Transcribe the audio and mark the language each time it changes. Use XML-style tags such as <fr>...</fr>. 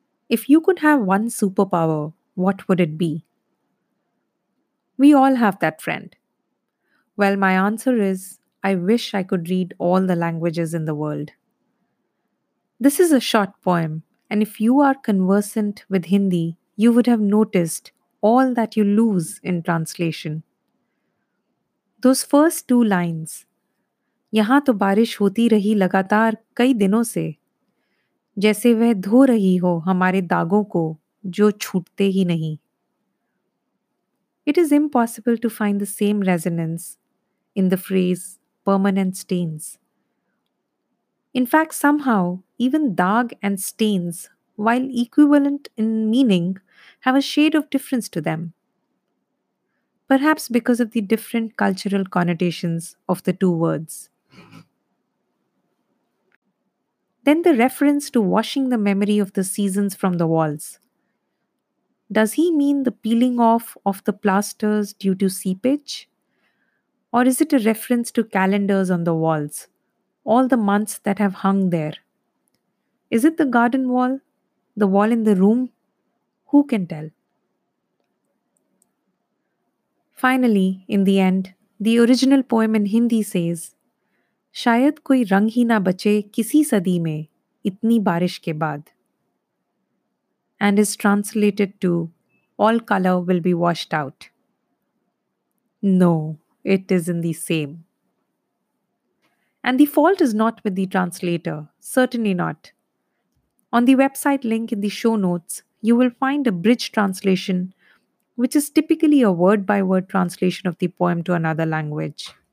<en>If you could have one superpower, what would it be? We all have that friend. Well, my answer is, I wish I could read all the languages in the world. This is a short poem, and if you are conversant with Hindi, you would have noticed all that you lose in translation. Those first two lines,</en> <hi>यहाँ तो बारिश होती रही लगातार कई दिनों से, जैसे वह धो रही हो हमारे दागों को जो छूटते ही नहीं.</hi> <en>It is impossible to find the same resonance in the phrase permanent stains. In fact, somehow, even dag and stains, while equivalent in meaning, have a shade of difference to them. Perhaps because of the different cultural connotations of the two words. Then the reference to washing the memory of the seasons from the walls. Does he mean the peeling off of the plasters due to seepage? Or is it a reference to calendars on the walls, all the months that have hung there? Is it the garden wall, the wall in the room? Who can tell? Finally, in the end, the original poem in Hindi says,</en> <hi>शायद कोई रंग ही ना बचे किसी सदी में इतनी बारिश के बाद.</hi> <en>And is translated to, all color will be washed out. No, it is in the same. And the fault is not with the translator, certainly not. On the website link in the show notes, you will find a bridge translation, which is typically a word-by-word translation of the poem to another language.</en>